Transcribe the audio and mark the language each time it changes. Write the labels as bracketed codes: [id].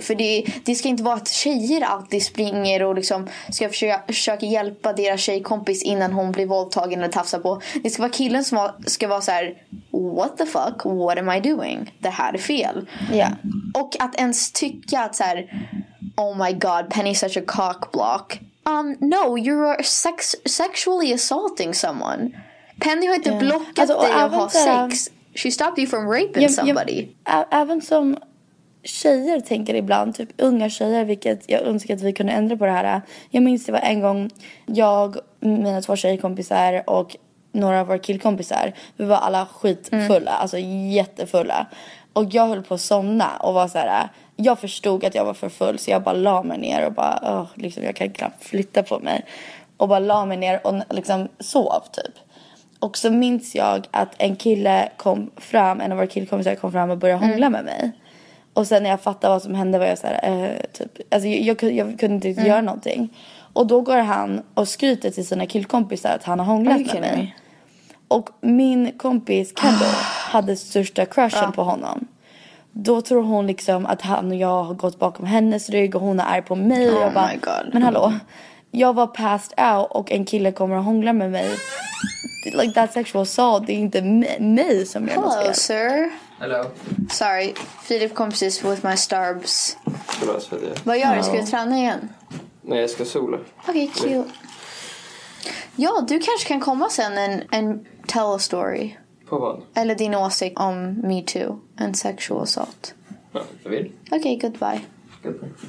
[sv] För det ska inte vara att tjejer alltid springer och liksom ska försöka hjälpa deras tjejkompis innan hon blir våldtagen eller tafsar på. Det ska vara killen som ska vara så här, [en] what the fuck, what am I doing? [sv] Det här är fel. [en] Yeah. [sv] Och att ens tycka att så här, [en] oh my god, Penny's such a cock block. No, you're sexually assaulting someone. [sv] Penny har inte blockat alltså, dig av att ha sex. [en] She stopped you from raping somebody. [sv] Även som tjejer tänker ibland, typ unga tjejer, vilket jag önskar att vi kunde ändra på det här. Jag minns det var en gång jag, mina två tjejkompisar och några av våra killkompisar, vi var alla skitfulla, alltså jättefulla. Och jag höll på att somna och var så här, jag förstod att jag var för full, så jag bara la mig ner och bara, oh, liksom, jag kan knappt flytta på mig. Och bara la mig ner och liksom sov typ. Och så minns jag att en kille kom fram, en av våra killkompisar kom fram och började hångla med mig. Och sen när jag fattade vad som hände var jag så här, typ, alltså jag kunde inte göra någonting. Och då går han och skryter till sina killkompisar att han har hånglat med mig. Och min kompis Kendo hade största crushen på honom. Då tror hon liksom att han och jag har gått bakom hennes rygg och hon är arg på mig. Oh jag [en] bara, my god. [sv] Men hallå, jag var [en] passed out [sv] och en kille kommer och hånglar med mig. [en] Like that's actual assault. [sv] Det är inte mig som gör något. [en] Hello, sir. Hello. Sorry, Philip comes this with my starbs. [sv] Förlåt, vad gör du? Ska du träna igen? Nej, jag ska sola. Okej, [en] okay, cute. [sv] Ja, du kanske kan komma sen [en] and tell a story. [sv] På vad? Eller din åsikt om [en] me too and sexual assault. [sv] Ja, jag vill. [en] Okej, okay, goodbye. Goodbye.